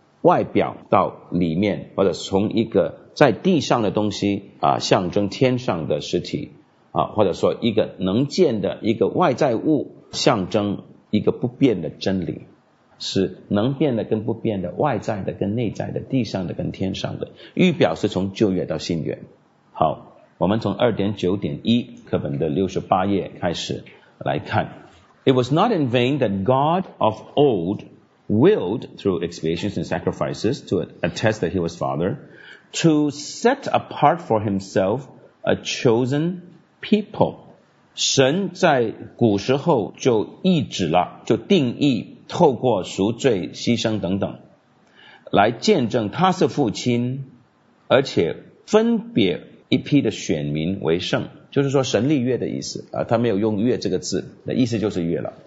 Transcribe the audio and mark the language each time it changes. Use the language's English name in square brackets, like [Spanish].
[Chinese] 外表到里面，或者从一个在地上的东西啊，象征天上的实体啊，或者说一个能见的一个外在物，象征一个不变的真理，是能变的跟不变的，外在的跟内在的，地上的跟天上的。预表是从旧约到新约。好，我们从 2.9.1 课本的68页开始来看。 [English] It was not in vain that God of oldwilled through expiations and sacrifices to attest that he was Father, to set apart for himself a chosen people. [Chinese] 神在古时候就意志了，就定义透过赎罪牺牲等等来见证他是父亲，而且分别一批的选民为圣，就是说神立约的意思啊，他没有用约这个字，意思就是约了。